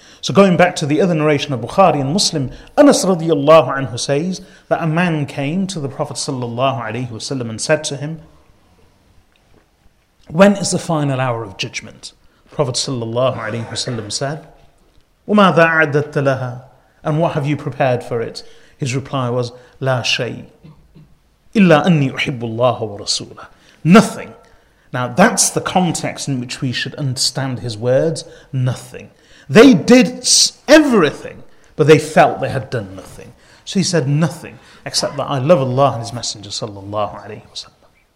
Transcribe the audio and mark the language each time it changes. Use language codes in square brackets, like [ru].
[en] So going back to the other narration of Bukhari and Muslim, Anas radiallahu anhu says that a man came to the Prophet sallallahu alayhi wasallam and said to him, when is the final hour of judgment? [ar] Prophet sallallahu alayhi wasallam said, وَمَاذَا أَعْدَدْتَ لَهَا? [en] And what have you prepared for it? His reply was, [ar] لَا شَيْء إِلَّا أَنِّي أُحِبُّ اللَّهَ وَرَسُولَهُ. [en] Nothing. Now that's the context in which we should understand his words, nothing. They did everything, but they felt they had done nothing. So he said nothing, except that I love Allah and his Messenger sallallahu alayhi wa sallam.